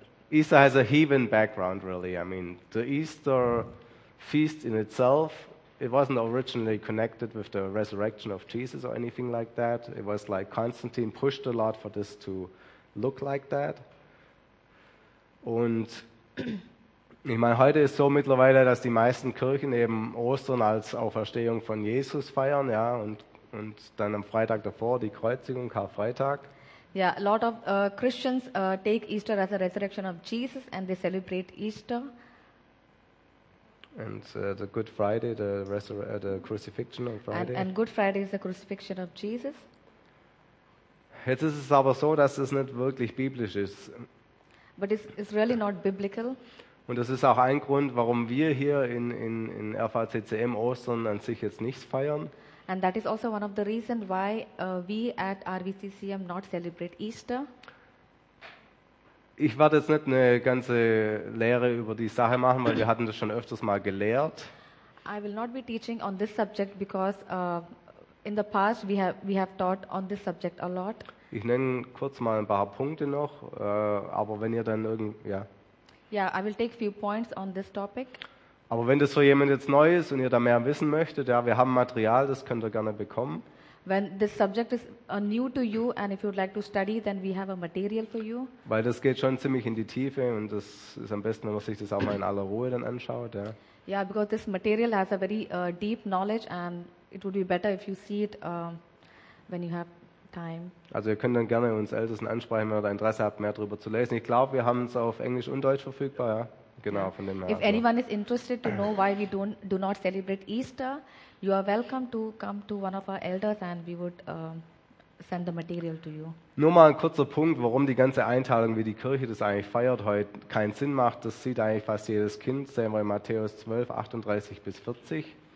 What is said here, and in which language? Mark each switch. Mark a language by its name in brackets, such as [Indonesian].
[English] Easter has a heathen background, really. I mean, the Easter feast in itself, it wasn't originally connected with the resurrection of Jesus or anything like that. It was like Constantine pushed a lot for this to look like that. [German] Und ich meine, heute ist so mittlerweile, dass die meisten Kirchen eben Ostern als Auferstehung von Jesus feiern, ja, und dann am Freitag davor die Kreuzigung, Karfreitag. [English] Yeah, a lot of Christians take Easter as a resurrection of Jesus and they celebrate Easter. And the Good Friday, the crucifixion on Friday. And Good Friday is the crucifixion of Jesus. [German] Jetzt ist es aber so, dass es nicht wirklich biblisch ist. [English] But it's really not biblical. [German] Und das ist auch ein Grund, warum wir hier in RVCCM Ostern an sich jetzt nichts feiern. [English] And that is also one of the reasons why we at RVCCM not celebrate Easter. [German] Ich werde jetzt nicht eine ganze Lehre über die Sache machen, weil wir hatten das schon öfters mal gelehrt. [English] I will not be teaching on this subject because in the past we have taught on this subject a lot. [German] Ich nenne kurz mal ein paar Punkte noch, aber wenn ihr dann irgendwie, ja. [English] Yeah, I will take few points on this topic. [German] Aber wenn das für jemand jetzt neu ist und ihr da mehr wissen möchtet, ja, wir haben Material, das könnt ihr gerne bekommen. [English] When this subject is new to you and if you'd like to study, then we have a material for you. [German] Weil das geht schon ziemlich in die Tiefe und das ist am besten, wenn man sich das auch mal in aller Ruhe dann anschaut, ja. [English] Yeah, because this material has a very deep knowledge and it would be better if you see it when you have time. [German] Also ihr könnt dann gerne uns Ältesten ansprechen, wenn ihr Interesse habt, mehr darüber zu lesen. Ich glaube, wir haben es auf Englisch und Deutsch verfügbar, ja. Genau, von dem her. [English] If anyone is interested to know why we do not celebrate Easter, you are welcome to come to one of our elders and we would send the material to you. [German] Nur mal ein kurzer Punkt, warum die ganze Einteilung, wie die Kirche das eigentlich feiert heute, keinen Sinn macht. Das sieht eigentlich fast jedes Kind. Sehen wir in Matthäus 12, 38 bis 40.